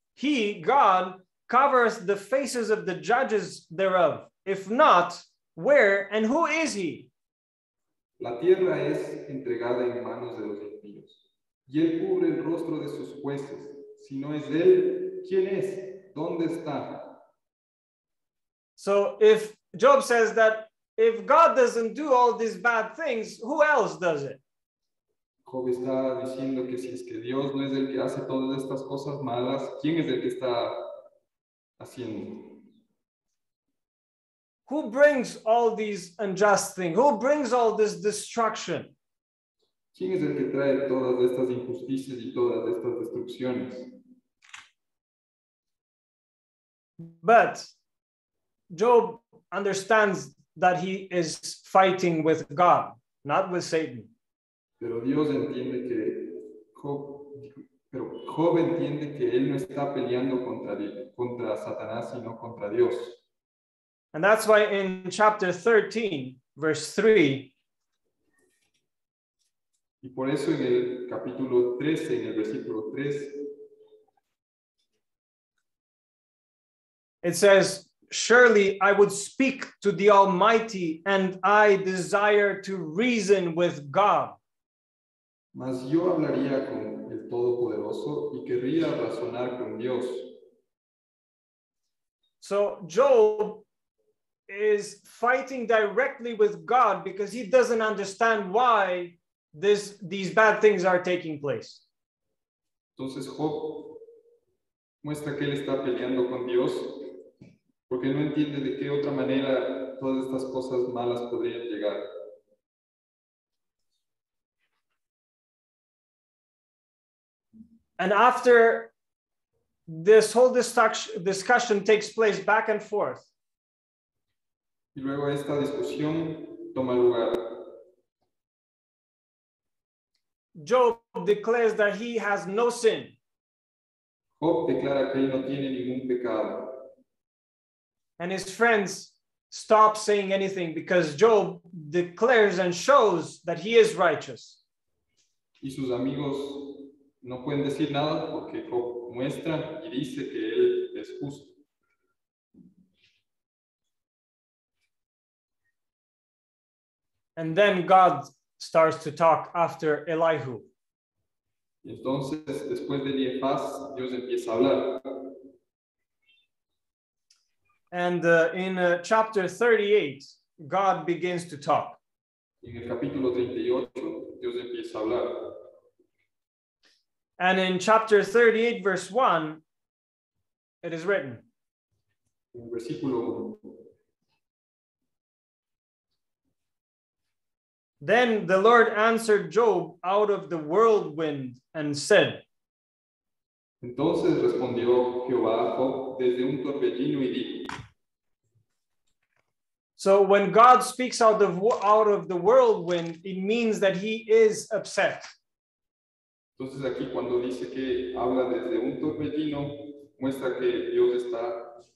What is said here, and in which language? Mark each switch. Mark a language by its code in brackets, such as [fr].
[en] He, God, covers the faces of the judges thereof. If not, where and who is he? [es] La tierra es entregada en manos de los impíos, y él cubre el rostro de sus jueces. Si no es él, ¿quién es? ¿Dónde está? [en] So if Job says that if God doesn't do all these bad things, who else does it? [es] Job está diciendo que si es que Dios no es el que hace todas estas cosas malas, ¿quién es el que está haciendo? [en] Who brings all these unjust things? Who brings all this destruction? [es] ¿Quién es el que trae todas estas injusticias y todas estas destrucciones? [en] But Job understands that he is fighting with God, not with Satan. [es] Pero Dios entiende que Job, pero Job entiende que él no está peleando contra Satanás, sino contra Dios. [en] And that's why in chapter 13, verse 3. [es] Y por eso en el capítulo 13, en el versículo 3. [en] It says, surely I would speak to the Almighty, and I desire to reason with God. [es] Mas yo hablaría con el Todopoderoso y querría razonar con Dios. [en] So Job is fighting directly with God because he doesn't understand why these bad things are taking place. [es] Entonces Job muestra que él está peleando con Dios porque no entiende de qué otra manera todas estas cosas malas podrían llegar. [en] And after this whole discussion takes place back and forth. [es] Y luego esta discusión toma lugar. [en] Job declares that he has no sin. [es] Job declara que él no tiene ningún pecado. [en] And his friends stop saying anything because Job declares and shows that he is righteous. [es] Y sus amigos no pueden decir nada porque Job muestra y dice que él es justo. [en] And then God starts to talk after Elihu. [es] Entonces, después de Elifaz, Dios empieza a hablar. [en] And chapter 38, God begins to talk. [es] En el capítulo 38, Dios empieza a hablar. [en] And in chapter 38, verse 1, it is written. [es] En versículo 1. [en] Then the Lord answered Job out of the whirlwind and said, [es] Entonces respondió Jehová desde un torbellino y dijo. [en] So when God speaks out of the whirlwind, it means that he is upset. [es] Entonces aquí cuando dice que habla desde un torbellino, muestra que Dios está.